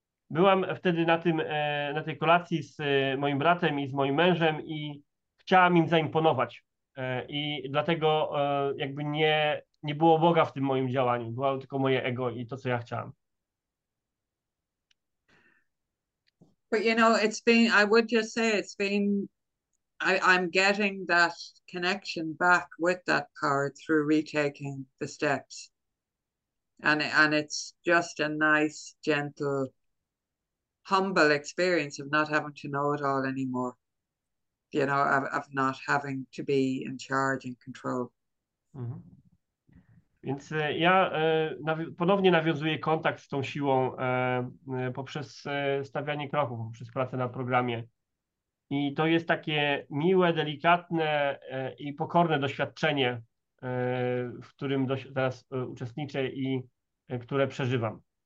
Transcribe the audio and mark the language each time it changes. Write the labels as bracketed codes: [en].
[pl] Byłam wtedy na tej kolacji z moim bratem i z moim mężem i chciałam im zaimponować. I dlatego jakby nie było Boga w tym moim działaniu. Było tylko moje ego i to, co ja chciałam. [en] But it's been, I would just say it's been, I'm getting that connection back with that power through retaking the steps. And it's just a nice, gentle, humble experience of not having to know it all anymore. Of not having to be in charge and control. [pl] Więc ja ponownie nawiązuję kontakt z tą siłą poprzez stawianie kroków, poprzez pracę na programie. I to jest takie miłe, delikatne i pokorne doświadczenie, w którym teraz uczestniczę i które przeżywam.